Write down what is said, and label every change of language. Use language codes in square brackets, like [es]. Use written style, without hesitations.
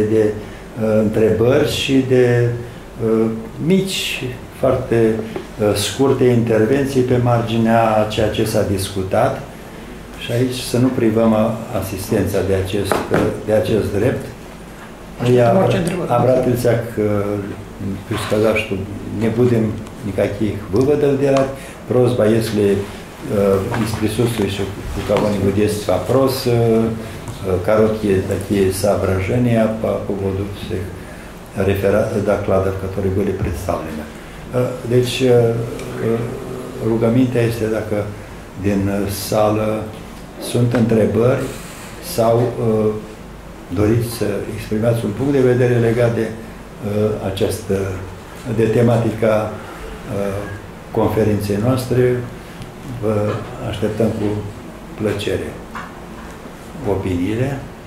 [ro] de întrebări și de mici, foarte scurte intervenții pe marginea ceea ce s-a discutat. Și aici să nu privăm asistența de acest drept. [ru] Обратился к сказав, что не будем никаких выводов делать. Просьба, если из присутствующих у кого-нибудь есть вопрос, короткие такие соображения по поводу всех докладов, которые были представлены. Значит, [ro] rugămintea este dacă din sală sunt întrebări sau doriți să exprimați un punct de vedere legat de această, de tematica conferinței noastre, vă așteptăm cu plăcere opiniile,